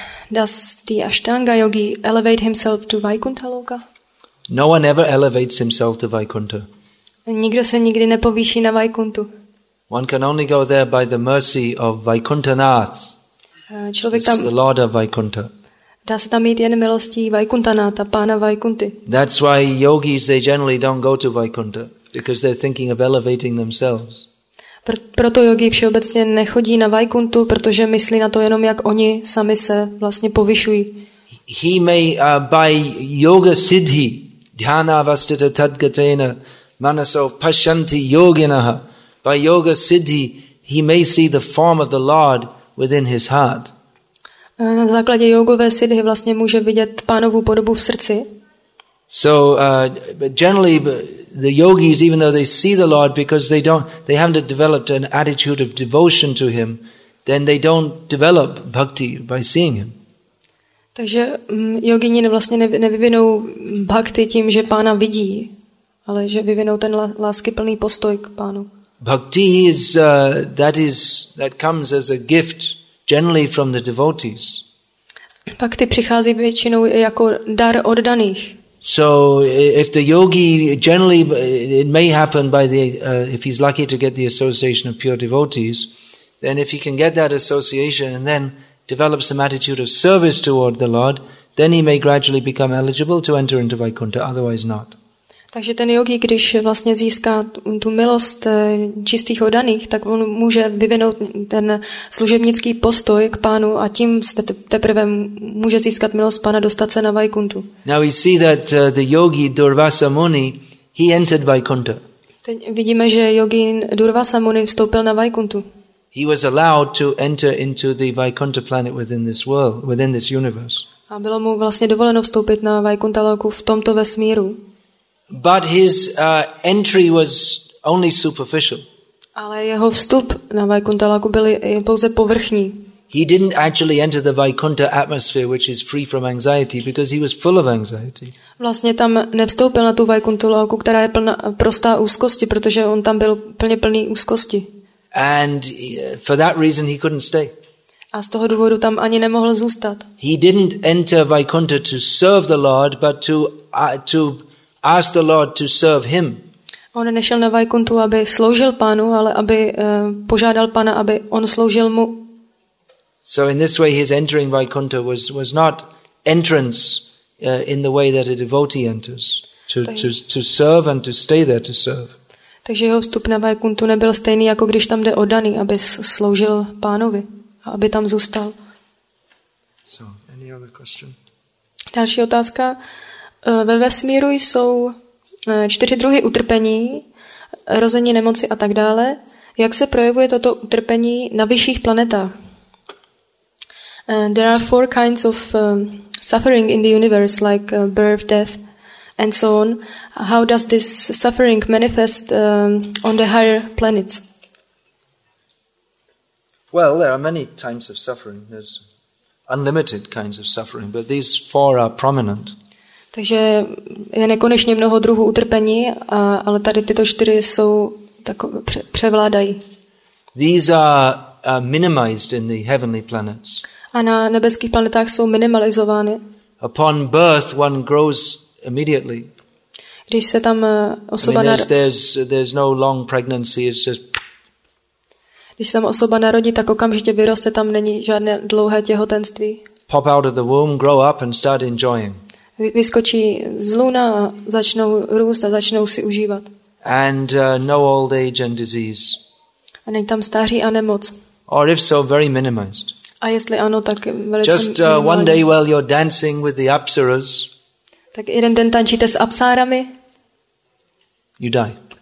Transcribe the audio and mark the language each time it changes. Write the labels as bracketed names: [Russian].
[English] Does the Ashtanga yogi elevate himself to Vaikuntha loka? No one ever elevates himself to Vaikuntha. [Czech] Nikdo se nikdy nepovýší na Vaikuntu. [English] One can only go there by the mercy of Vaikuntha Nath. [Czech] Člověk tam [English] the Lord of Vaikuntha. [Czech] Dá se tam mít jen milostí Vaikuntanáta, pána Vaikunty. [English] That's why yogis they generally don't go to Vaikunta because they're thinking of elevating themselves. [Czech] Proto jogi všeobecně nechodí na Vaikuntu, protože myslí na to jenom, jak oni sami se vlastně povyšují. [English] He may by [Sanskrit] yoga siddhi dhyana vastita tadgatena manaso pashanti yoginaha. [English] By yoga siddhi he may see the form of the Lord within his heart. [Czech] Na základě jogové siddhi vlastně může vidět pánovu podobu v srdci. [English] So generally the yogis, even though they see the Lord because they haven't developed an attitude of devotion to him, then they don't develop bhakti by seeing him. [Czech] Takže jogini vlastně nevyvinou bhakti tím, že pána vidí, ale že vyvinou ten láskyplný postoj k pánu. [English] Bhakti is that comes as a gift generally from the devotees. [Czech] Bhakti přichází většinou jako dar od daných. [English] So if the yogi generally it may happen by the if he's lucky to get the association of pure devotees, then if he can get that association and then develops an attitude of service toward the Lord, then he may gradually become eligible to enter into Vaikuntha, otherwise not. [Czech] Takže ten yogi, když vlastně získá tu milost čistých oddaných, tak on může vyvinout ten služebnický postoj k pánu a tím teprve může získat milost pána, dostat se na Vaikuntu. [English] Now we see that the yogi Durvasa Muni, he entered Vaikuntha. [Czech] Teď vidíme, že yogin Durvasa Muni vstoupil na Vaikuntu. [English] He was allowed to enter into the Vaikuntha planet within this world, within this universe. [Czech] A bylo mu vlastně dovoleno vstoupit na Vaikuntha loku v tomto vesmíru. [English] But his entry was only superficial. [Czech] Ale jeho vstup na Vaikuntha loku byl pouze povrchní. [English] He didn't actually enter the Vaikuntha atmosphere, which is free from anxiety, because he was full of anxiety. [Czech] Vlastně tam nevstoupil na tu Vaikuntha loku, která je plná prostá úzkosti, protože on tam byl plně plný úzkosti. [English] And for that reason he couldn't stay. [Czech] A z toho důvodu tam ani nemohl zůstat. [English] He didn't enter Vaikuntha to serve the Lord, but to ask the Lord to serve him. [Czech] On nešel na Vaikuntu, aby sloužil pánu, ale aby požádal pána, aby on sloužil mu. [English] So in this way his entering Vaikuntha was not entrance in the way that a devotee enters to serve and to stay there to serve. [Czech] Takže jeho vstup na Vaikuntu nebyl stejný, jako když tam jde oddaný, aby sloužil pánovi a aby tam zůstal. [English] So, any other question? [Czech] Další otázka. Ve vesmíru jsou čtyři druhy utrpení, rození, nemoci a tak dále. Jak se projevuje toto utrpení na vyšších planetách? [English] There are four kinds of suffering in the universe, like birth, death, and so on. How does this suffering manifest on the higher planets? Well, there are many types of suffering. There's unlimited kinds of suffering, but these four are prominent. [Czech] Takže je nekonečně mnoho druhů utrpení, ale tady tyto čtyři jsou takové převládají. [English] These are minimized in the heavenly planets. [Czech] A na nebeských planetách jsou minimalizovány. [English] Upon birth, one grows immediately. [Czech] Když se tam osoba [English] there's no long pregnancy, it's just [Czech] když se tam osoba narodí, tak okamžitě vyroste, tam není žádné dlouhé těhotenství. [English] Pop out of the womb, grow up and start enjoying. [Czech] Vyskočí z luna a začnou růst a začnou si užívat. [English] And no old age and disease. [Czech] A není tam stáří a nemoc. [English] Or if so, very minimized. [Czech] A jestli ano, tak velice [English] just one day while you're dancing with the apsaras. [Czech] Tak jeden den tančíte s apsárami. [English] You die.